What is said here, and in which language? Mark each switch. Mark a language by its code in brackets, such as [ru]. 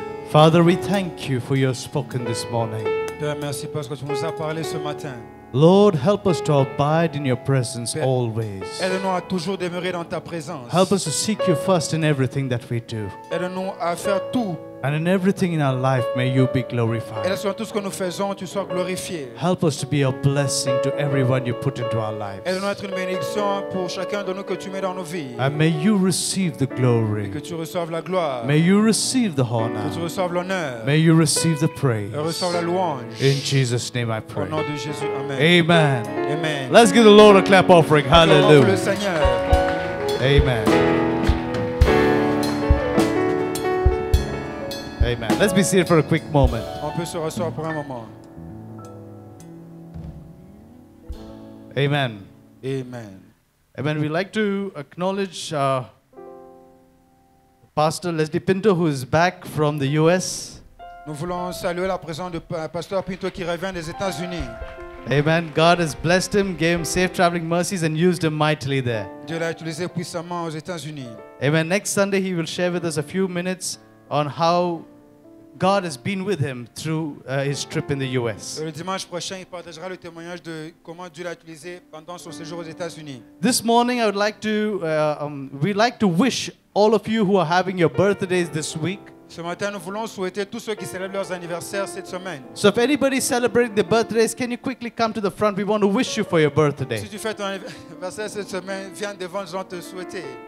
[en] Father, we thank you for your spoken this morning. [fr] Merci parce que tu nous as parlé ce matin. [en] Lord, help us to abide in your presence always. [fr] Aide-nous à toujours demeurer dans ta présence. [en] Help us to seek you first in everything that we do. [fr] Aide-nous à faire tout. [en] And in everything in our life, may you be glorified. [fr] Aide-nous dans tout ce que nous faisons, tu sois glorifié. [en] Help us to be a blessing to everyone you put into our lives. [fr] Aide-nous à être une bénédiction pour chacun de nous que tu mets dans nos vies. [en] And may you receive the glory. [fr] Et que tu reçoives la gloire. [en] May you receive the honor. [fr] Que tu reçoives l'honneur. [en] May you receive the praise. [fr] Et reçoive la louange. [en] In Jesus' name I pray. [fr] Au nom de Jésus, amen. [en] Amen. Amen. Let's give the Lord a clap offering. Hallelujah. [fr] Le Seigneur. [en] Amen. Amen. Let's be seated for a quick moment. [fr] On peut se rasseoir pour un moment. [en] Amen. Amen. Amen. We'd like to acknowledge Pastor Leslie Pinto, who is back from the U.S. [fr] Nous voulons saluer la présence de Pasteur Pinto qui revient des États-Unis. [en] Amen. God has blessed him, gave him safe traveling mercies, and used him mightily there. [fr] Dieu l'a utilisé puissamment aux États-Unis. [en] Amen. Next Sunday, he will share with us a few minutes on how God has been with him through his trip in the U.S. [fr] Le dimanche prochain, il partagera le témoignage de comment Dieu l'a utilisé pendant son séjour aux États-Unis. [en] This morning, I would like to we'd like to wish all of you who are having your birthdays this week. [fr] Ce matin, nous voulons souhaiter tous ceux qui célèbrent leurs anniversaires cette semaine. [en] So if anybody is celebrating their birthdays, can you quickly come to the front? We want to wish you for your birthday. [fr] Si tu fêtes ton anniversaire cette semaine, viens devant, nous allons te souhaiter.